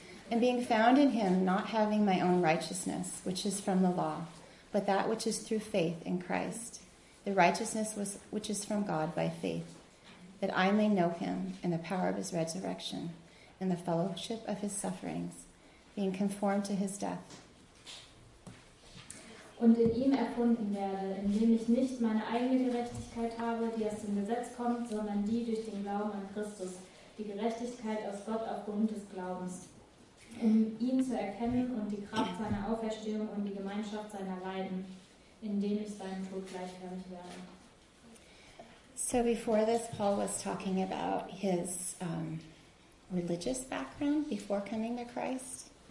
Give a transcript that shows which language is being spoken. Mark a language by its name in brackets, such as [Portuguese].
[English] And being found in him, not having my own righteousness, which is from the law, but that which is through faith in Christ, the righteousness which is from God by faith, that I may know him and the power of his resurrection and the fellowship of his sufferings, being conformed to his death. [German] Und in ihm erfunden werde, indem ich nicht meine eigene Gerechtigkeit habe, die aus dem Gesetz kommt, sondern die durch den Glauben an Christus, die Gerechtigkeit aus Gott aufgrund des Glaubens, um ihn zu erkennen und die Kraft seiner Auferstehung und die Gemeinschaft seiner Leiden, indem ich seinem Tod gleichförmig werde. [English] So before this, Paul was talking about his religious background before coming to Christ.